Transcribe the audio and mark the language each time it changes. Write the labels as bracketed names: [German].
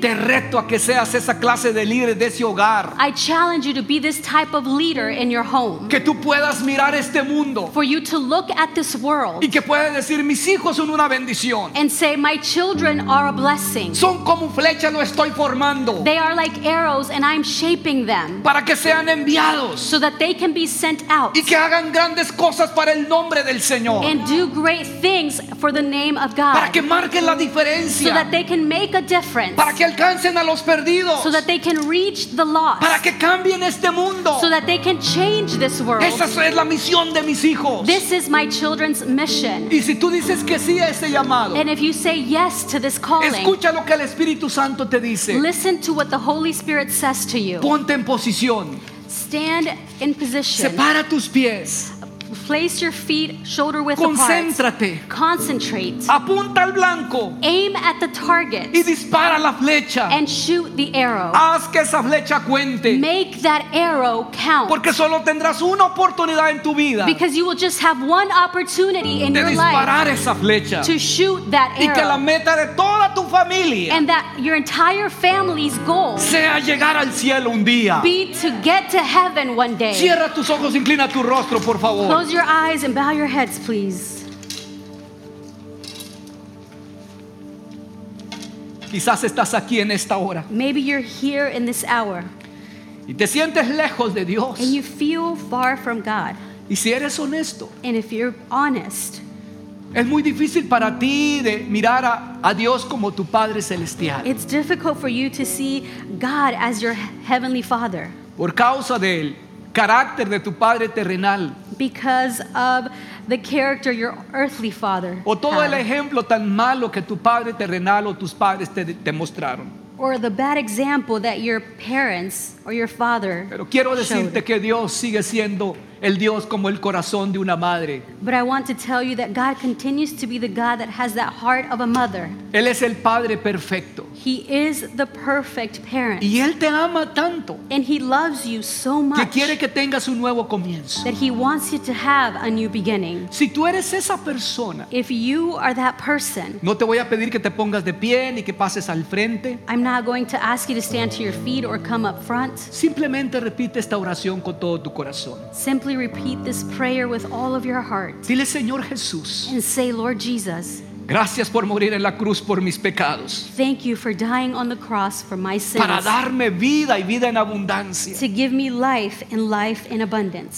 [Spanish] Te reto a que seas esa clase de líder de ese hogar. [English] I challenge you to be this type of leader in your home. [Spanish] Que tú puedas mirar este mundo. [English] For you to look at this world. [Spanish] Y que puedas decir, mis hijos son una bendición. [English] And say, my children are a blessing. [Spanish] Son como flecha, lo estoy formando. [English] They are like arrows and I'm shaping them. [Spanish] Para que sean enviados. [English] So that they can be sent out. [Spanish] Y que hagan grandes cosas para el nombre del Señor. [English] And do great things for the name of God. [Spanish] Para que marquen la diferencia. [English] So that they can make a difference. [Spanish] Para que alcancen a los perdidos. [English] So that they can reach the lost. [Spanish] Para que cambien este mundo. [English] So that they can change this world. [Spanish] Esa es la misión de mis hijos. [English] This is my children's mission. [Spanish] Y si tú dices que sí a ese llamado. [English] And if you say yes to this calling. [Spanish] Escucha lo que el Espíritu Santo te dice. [English] Listen to what the Holy Spirit says to you. [Spanish] Ponte en posición. [English] Stand in position. [Spanish] Separa tus pies. [English] Place your feet shoulder width [Spanish] Concéntrate. [English] Apart. Concentrate. [Spanish] Apunta al blanco. [English] Aim at the target. [Spanish] Y dispara la flecha. [English] And shoot the arrow. [Spanish] Haz que esa flecha cuente. [English] Make that arrow count. [Spanish] Porque solo tendrás una oportunidad en tu vida. [English] Because you will just have one opportunity in your life. [Spanish] De disparar esa flecha. [English] To shoot that arrow. [Spanish] Y que la meta de toda tu familia. [English] And that your entire family's goal. [Spanish] Sea llegar al cielo un día. [English] Be to get to heaven one day. [Spanish] Cierra tus ojos, inclina tu rostro, por favor. [English] Close your eyes and bow your heads, please. [Spanish] Quizás estás aquí en esta hora. [English] Maybe you're here in this hour. [Spanish] Y te sientes lejos de Dios. [English] And you feel far from God. [Spanish] Y si eres honesto. [English] And if you're honest. [Spanish] Es muy difícil para ti de mirar a Dios como tu Padre Celestial. [English] It's difficult for you to see God as your Heavenly Father. [Spanish] Por causa de él. Carácter de tu padre terrenal. [English] Because of the character your earthly father. [Spanish] O todo el ejemplo tan malo que tu padre terrenal o tus padres te mostraron. [English] Or the bad example that your parents or your father. [Spanish] Pero quiero decirte [English] showed. [Spanish] Que Dios sigue siendo el Dios como el corazón de una madre. [English] But I want to tell you that God continues to be the God that has that heart of a mother. [Spanish] Él es el padre perfecto. [English] He is the perfect parent. [Spanish] Y él te ama tanto. [English] And he loves you so much. [Spanish] Que quiere que tengas un nuevo comienzo. [English] That he wants you to have a new beginning. [Spanish] Si tú eres esa persona. [English] If you are that person. [Spanish] No te voy a pedir que te pongas de pie ni que pases al frente. [English] I'm not going to ask you to stand to your feet or come up front. [Spanish] Simplemente repite esta oración con todo tu corazón. [English] Simply repeat this prayer with all of your heart. [Spanish] Dile, Señor Jesús. [English] And say, Lord Jesus. [Spanish] Gracias por morir en la cruz por mis pecados. [English] Thank you for dying on the cross for my sins. [Spanish] Para darme vida y vida en abundancia. [English] To give me life and life in abundance.